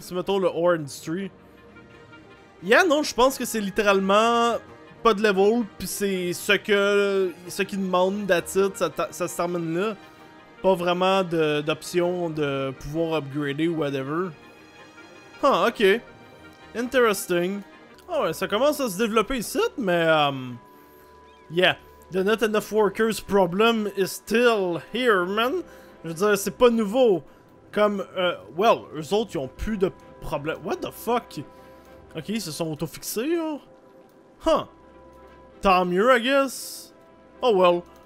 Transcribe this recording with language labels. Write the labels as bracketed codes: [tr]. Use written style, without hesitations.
[fr] C'est mettons le ore industry. Yeah, non, je pense que c'est littéralement pas de level, pis c'est ce qu'ils demandent, [en] that's it, [fr] ça se termine là. Pas vraiment d'option de pouvoir upgrader ou whatever. Huh, ok. Interesting. Ah oh, ouais, ça commence à se développer ici, mais yeah. [en] The not enough workers problem is still here, man. [fr] Je veux dire, c'est pas nouveau. Comme, well, eux autres, ils ont plus de problème. [en] What the fuck? [fr] Ok, ils se sont auto-fixés, là. Huh. Tant mieux, [en] I guess. Oh well.